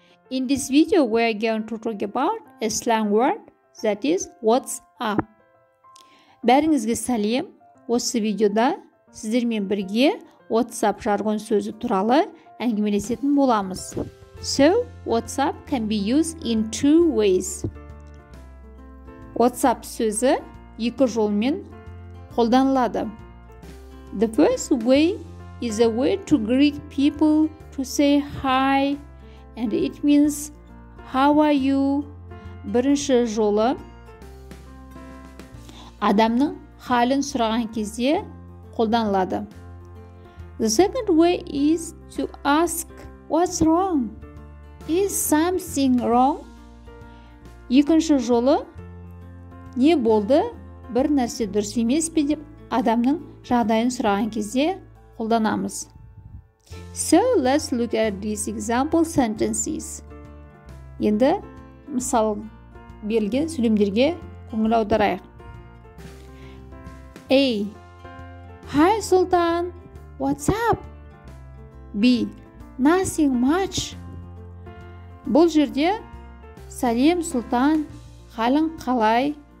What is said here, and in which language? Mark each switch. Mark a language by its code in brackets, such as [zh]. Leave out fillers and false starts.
[en] In this video, we are going to talk about a slang word that is what's up. [kk] Бәріңізге сәлем. Осы видеода сіздермен бірге what's up жаргон сөзі туралы әңгімелесетін боламыз. [en] So, what's up can be used in two ways. [kk] What's up сөзі екі жолмен қолданылады. [en] The first way is a way to greet people to say hi, and it means how are you. [kk] Бірінші жолы адамның халін сұраған кезде қолданылады. [en] The second way is to ask what's wrong. Is something wrong? [kk] Екінші жолы не болды, бір нәрсе дұрыс емес пе деп адамның жағдайын сұраған кезде қолданамыз. [en] So, let's look at these example sentences. [kk] Енді мысал берілген сөйлемдерге көңіл аударайық. [en] A. Hi, Sultan. What's up? B. Nothing much. [kk] Бұл жерде сәлем, Sultan. Халың қалай?